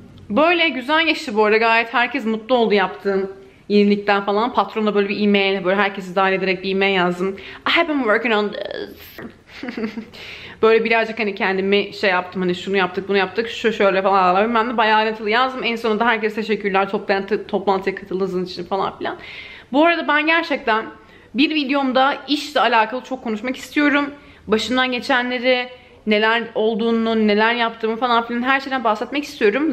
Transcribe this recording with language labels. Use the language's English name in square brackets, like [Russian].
[Turkish] Böyle güzel geçti bu arada. Gayet herkes mutlu oldu yaptığım yenilikten falan. Patronla böyle bir e-mail, böyle herkesi dahil ederek bir e-mail yazdım. [English] I have been working on this. [Turkish] Böyle birazcık hani kendimi şey yaptım, hani şunu yaptık, bunu yaptık, şu şöyle falan. Ben de bayağı ayrıntılı yazdım. En sonunda herkese teşekkürler toplantıya katıldığınız için falan filan. Bu arada ben gerçekten bir videomda işle alakalı çok konuşmak istiyorum. Başından geçenleri, neler olduğunu, neler yaptığımı falan filan her şeyden bahsetmek istiyorum.